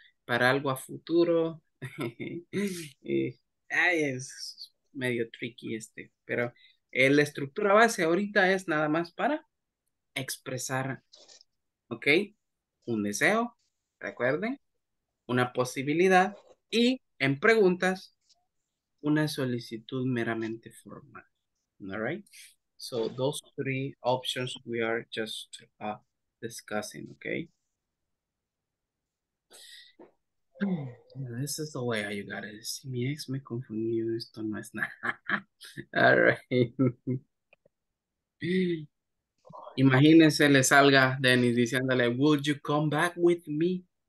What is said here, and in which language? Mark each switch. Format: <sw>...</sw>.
<es>para algo a futuro. es medio tricky este, pero la estructura base ahorita es nada más para expresar, ¿ok? Un deseo, recuerden, una posibilidad y en preguntas, una solicitud meramente formal.</es> <en>All right? So those three options we are just discussing, okay? This is the way I got it.</en> <es>Si mi ex me confundió, esto no es nada.</es> <en>All right.</en> <es>Imagínense, le salga Dennis diciéndole,</es> <en>would you come back with me?</en>